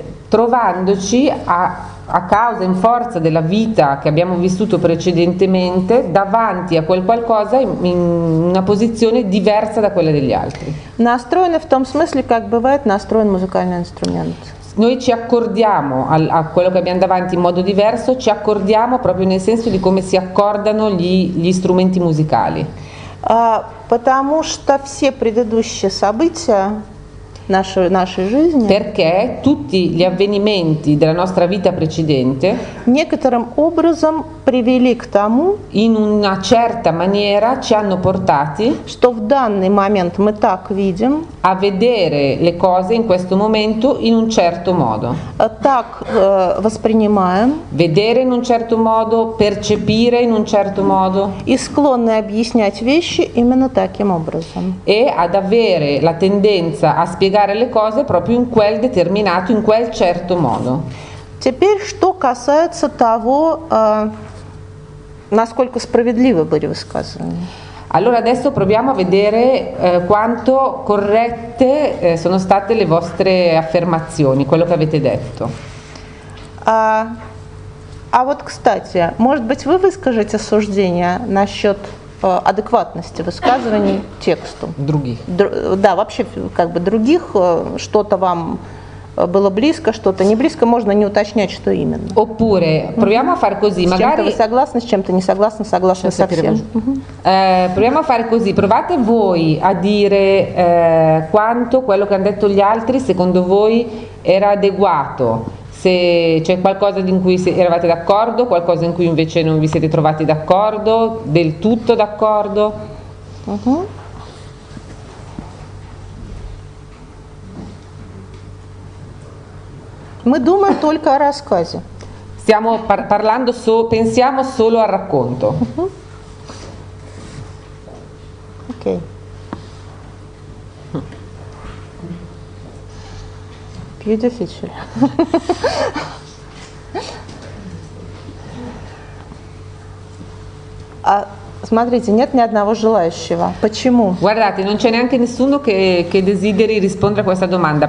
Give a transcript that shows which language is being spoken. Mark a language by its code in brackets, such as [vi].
[it] Trovandoci a causa, in forza della vita che abbiamo vissuto precedentemente, davanti a quel qualcosa in una posizione diversa da quella degli altri. [ru] Настроены в том смысле, как бывает настроен музыкальный инструмент. [it] Noi ci accordiamo a quello che abbiamo davanti in modo diverso, ci accordiamo proprio nel senso di come si accordano gli strumenti musicali. [ru] Потому что все предыдущие события нашей жизни. [it] Perché tutti gli avvenimenti della nostra vita precedente [ru] некоторым образом привели к тому, [it] in una certa maniera ci hanno portati, [ru] что в данный момент мы так видим, [it] a vedere le cose in questo momento in un certo modo. [ru] Так воспринимаем, [it] vedere in un certo modo, percepire in un certo modo, [ru] и склонны объяснять вещи именно таким образом. [it] E ad avere la tendenza a spiegare le cose proprio in quel determinato, in quel certo modo. [ru] Теперь, что касается того, насколько справедливы были высказывания. [it] Allora adesso proviamo a vedere quanto corrette sono state le vostre affermazioni, quello che avete detto. [ru] А вот, кстати, может быть, вы выскажете суждение насчет адекватности высказываний тексту? Других. Да, вообще, как бы других, что-то вам было близко, что-то не близко, можно не уточнять, что именно. [it] Oppure, proviamo a far così, magari... [ru] С чем-то вы согласны, с чем-то не согласны, согласны совсем. [it] Proviamo a far così, provate voi a dire quanto quello che hanno detto gli altri, secondo voi, era adeguato. Se c'è qualcosa in cui eravate d'accordo, qualcosa in cui invece non vi siete trovati d'accordo, del tutto d'accordo. [ru] Мы думаем только о рассказе. [it] Stiamo parlando solo, pensiamo solo al racconto. Ok. Più difficile. [ru] А смотрите, нет ни одного желающего. Почему? [it] Guardate, non c'è neanche nessuno che desideri rispondere a questa domanda.